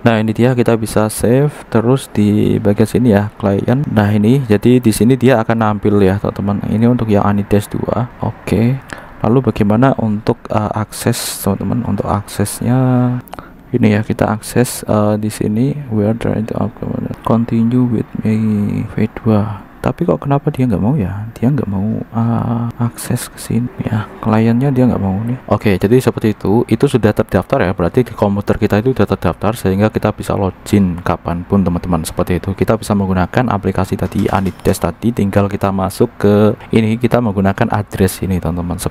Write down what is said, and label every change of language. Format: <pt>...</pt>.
<id>Nah, ini dia, kita bisa save terus di bagian sini ya, client. Nah, ini. Jadi di sini dia akan nampil ya, teman-teman. Ini untuk yang AnyTest 2. Oke. Lalu bagaimana untuk akses, teman-teman? Untuk aksesnya ini ya, kita akses di sini.</id> <en>We are trying to continue with me V2.</en> <id>Tapi kok kenapa dia nggak mau ya? Dia nggak mau akses ke sini ya. Kliennya dia nggak mau nih. Oke, jadi seperti itu sudah terdaftar ya. Berarti di komputer kita itu sudah terdaftar sehingga kita bisa login kapanpun, teman-teman. Seperti itu, kita bisa menggunakan aplikasi tadi, AnyTest tadi. Tinggal kita masuk ke ini, kita menggunakan address ini, teman-teman.</id>